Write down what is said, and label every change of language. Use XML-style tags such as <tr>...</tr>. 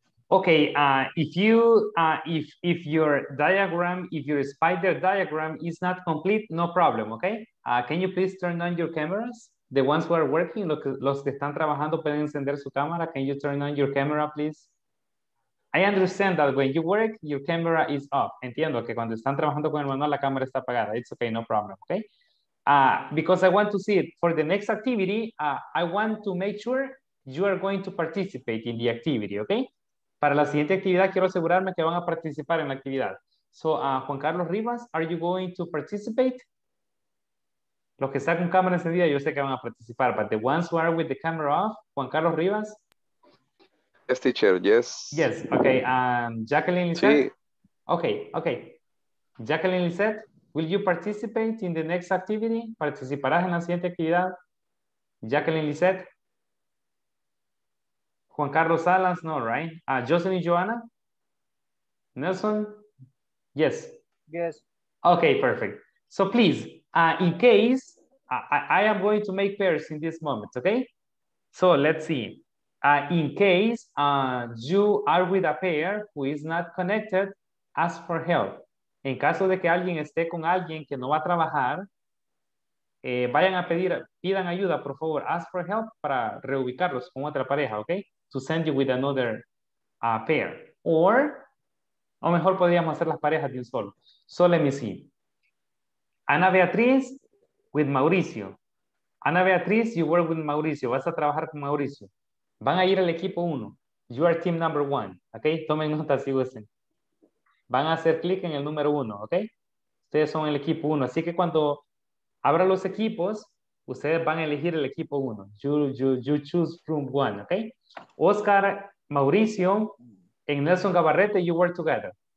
<en>Okay, if your diagram, if your spider diagram is not complete, no problem, okay? Can you please turn on your cameras? The ones who are working,</en> <es>los que están trabajando pueden encender su cámara.</es> <en>Can you turn on your camera, please? I understand that when you work, your camera is off.</en> <es>Entiendo que cuando están trabajando con el manual, la cámara está apagada.</es> <en>It's okay, no problem, okay? Because I want to see it for the next activity, I want to make sure you are going to participate in the activity, okay?</en> <es>Para la siguiente actividad, quiero asegurarme que van a participar en la actividad.</es> <en>So, Juan Carlos Rivas, are you going to participate?</en> <es>Los que están con cámara encendida, yo sé que van a participar,</es> <en>but the ones who are with the camera off,</en> <es>Juan Carlos Rivas?</es> <en>Yes, teacher, yes. Yes, okay. Jacqueline Lisette?</en> <es>Sí.</es> <en>Okay, okay. Jacqueline Lisette, will you participate in the next activity?</en> <es>¿Participarás en la siguiente actividad? Jacqueline Lisette?</es> <en>Juan Carlos Salas, no, right? Jocelyn Joanna? Nelson? Yes. Yes. Okay, perfect. So please, in case, I am going to make pairs in this moment, okay? So let's see. In case you are with a pair who is not connected, ask for help.</en> <es>En caso de que alguien esté con alguien que no va a trabajar, vayan a pedir, pidan ayuda, por favor,</es> <en>ask for help</en> <es>para reubicarlos con otra pareja, okay?</es> <en>To send you with another pair.</en> <es>O mejor podríamos hacer las parejas de un solo.</es> <en>So let me see. Ana Beatriz with Mauricio.</en> <es>Ana Beatriz,</es> <en>you work with Mauricio.</en> <es>Vas a trabajar con Mauricio. Van a ir al equipo uno.</es> <en>You are team number one. Okay?</en> <es>Tomen nota, si gusten. Van a hacer clic en el número uno. Okay? Ustedes son el equipo uno. Así que cuando abra los equipos, ustedes van a elegir el equipo uno.</es> <en>You choose room one. Okay? Oscar, Mauricio, and Nelson Gabarrete, you work together.</en>